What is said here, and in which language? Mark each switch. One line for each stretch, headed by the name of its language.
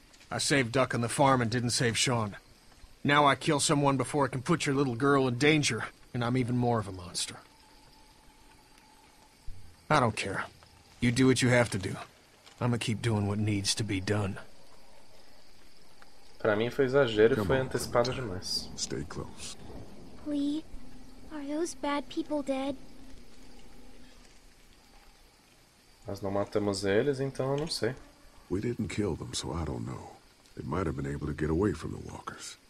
English: I saved Duck on the farm and didn't save Sean. Now I kill someone before I can put your little girl in danger, and I'm even more of a monster. I don't care. You do what you have to do. I'm gonna keep doing what needs to be done.
Portuguese: Pra mim foi exagero e foi antecipado demais.
English: Stay close. Lee, are those bad people dead?
Portuguese: Nós não matamos eles, então eu não sei.
English: We didn't kill them, so I don't know. They might have been able to get away from the walkers.